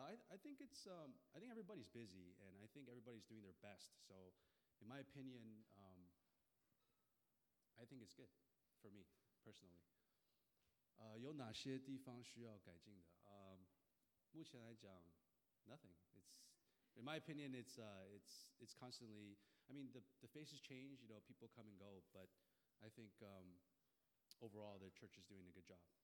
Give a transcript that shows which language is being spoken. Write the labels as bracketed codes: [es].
[en] I think everybody's busy, and I think everybody's doing their best. So, in my opinion, I think it's good for me personally. [zh] 有哪些地方需要改进的？目前来讲 ， [en] nothing. In my opinion, it's constantly. I mean, the faces change. You know, people come and go, but I think overall, the church is doing a good job.